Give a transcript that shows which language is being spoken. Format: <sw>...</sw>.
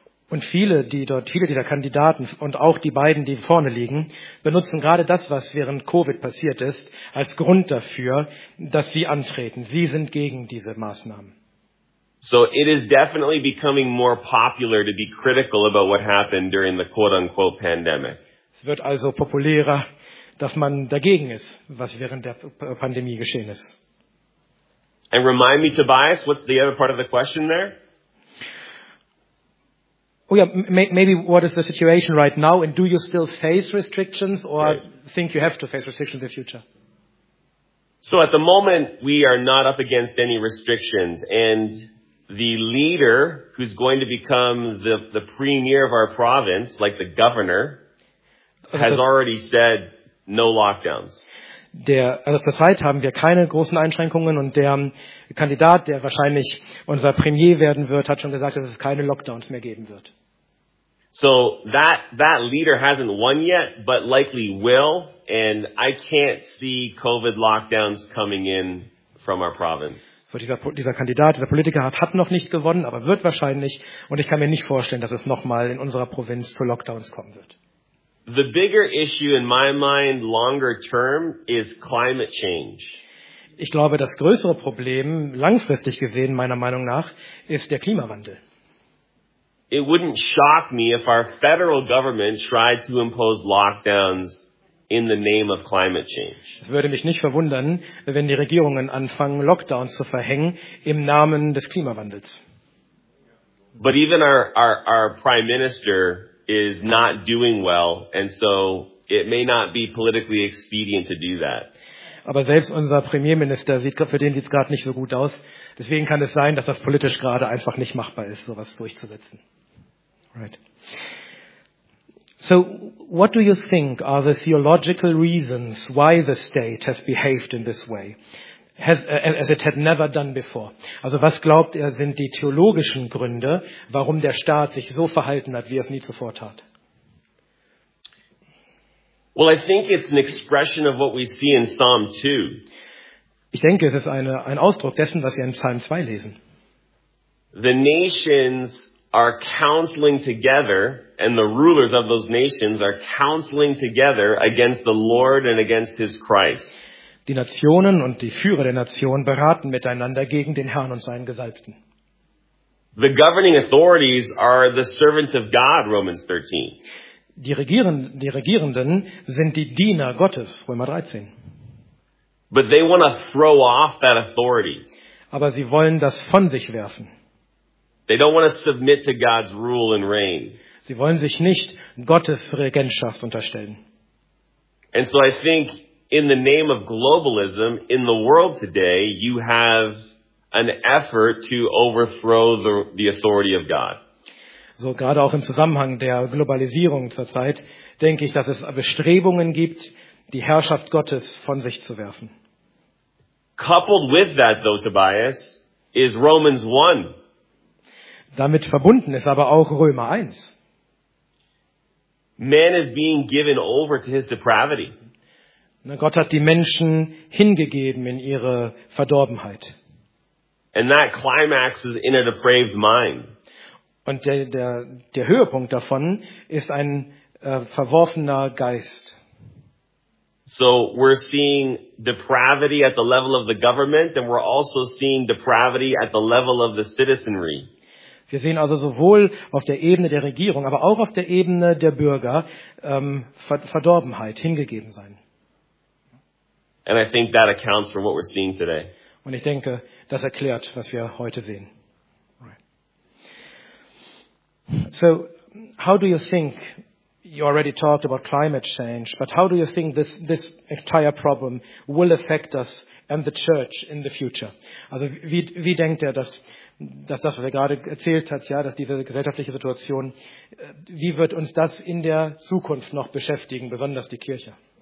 <de>Und viele dieser Kandidaten und auch die beiden, die vorne liegen, benutzen gerade das, was während Covid passiert ist, als Grund dafür, dass sie antreten. Sie sind gegen diese Maßnahmen.</de> <en>So it is definitely becoming more popular to be critical about what happened during the quote-unquote pandemic.</en> <de>Es wird also populärer, dass man dagegen ist, was während der Pandemie geschehen ist.</de> <en>And remind me, Tobias, what's the other part of the question there? Oh yeah, maybe what is the situation right now and do you still face restrictions or think you have to face restrictions in the future? So at the moment we are not up against any restrictions and the leader who's going to become the premier of our province, like the governor, has already said no lockdowns.</en> <de>Also zurzeit haben wir keine großen Einschränkungen und der Kandidat, der wahrscheinlich unser Premier werden wird, hat schon gesagt, dass es keine Lockdowns mehr geben wird.</de> <en>So that leader hasn't won yet, but likely will, and I can't see COVID lockdowns coming in from our province.</en> <de>So dieser Kandidat, der Politiker hat noch nicht gewonnen, aber wird wahrscheinlich, und ich kann mir nicht vorstellen, dass es nochmal in unserer Provinz zu Lockdowns kommen wird.</de> <en>The bigger issue in my mind longer term is climate change.</en> <de>Ich glaube, das größere Problem langfristig gesehen meiner Meinung nach ist der Klimawandel.</de> <en>it wouldn't shock me if our federal government tried to impose lockdowns in the name of climate change.</en> <de>Es würde mich nicht verwundern, wenn die Regierungen anfangen, Lockdowns zu verhängen im Namen des Klimawandels.</de> <en>But even our prime minister is not doing well, and so it may not be politically expedient to do that.</en> <de>Aber selbst unser Premierminister, für den sieht es gerade nicht so gut aus. Deswegen kann es sein, dass das politisch gerade einfach nicht machbar ist, sowas durchzusetzen.</de> <en>Right. So, what do you think are the theological reasons why the state has behaved in this way, as it had never done before?</en> <de>Also, was glaubt ihr, sind die theologischen Gründe, warum der Staat sich so verhalten hat, wie er es nie zuvor tat?</de> <en>Well, I think it's an expression of what we see in Psalm 2.</en> <de>Ich denke, es ist ein Ausdruck dessen, was wir in Psalm 2 lesen.</de> <en>The nations are counseling together, and the rulers of those nations are counseling together against the Lord and against his Christ.</en> <de>Die Nationen und die Führer der Nationen beraten miteinander gegen den Herrn und seinen Gesalbten.</de> <en>The governing authorities are the servants of God, Romans 13.</en> <de>Die Regierenden sind die Diener Gottes, Römer 13.</de> <en>But they want to throw off that authority.</en> <de>Aber sie wollen das von sich werfen.</de> <en>They don't want to submit to God's rule and reign.</en> <de>Sie wollen sich nicht Gottes Regentschaft unterstellen.</de> <en>And so I think in the name of globalism in the world today, you have an effort to overthrow the authority of God.</en> <de>So gerade auch im Zusammenhang der Globalisierung zurzeit denke ich, dass es Bestrebungen gibt, die Herrschaft Gottes von sich zu werfen.</de> <en>Coupled with that though, Tobias, is Romans 1.</en> <de>Damit verbunden ist aber auch Römer 1.</de> <en>Man is being given over to his depravity.</en> <de>Gott hat die Menschen hingegeben in ihre Verdorbenheit.</de> <en>And that climaxes in a depraved mind.</en> <de>Und der Höhepunkt davon ist ein verworfener Geist.</de> <en>So we're seeing depravity at the level of the government, and we're also seeing depravity at the level of the citizenry.</en> <de>Wir sehen also sowohl auf der Ebene der Regierung, aber auch auf der Ebene der Bürger Verdorbenheit, hingegeben sein.</de> <en>And I think that accounts for what we're seeing today.</en> <de>Und ich denke, das erklärt, was wir heute sehen.</de> <en>So, how do you think, you already talked about climate change, but how do you think this entire problem will affect us and the church in the future?</en> <de>Also, wie denkt ihr, dass das, was ihr gerade erzählt habt, ja, dass diese gesellschaftliche Situation, wie wird uns das in der Zukunft noch beschäftigen, besonders die Kirche?</de>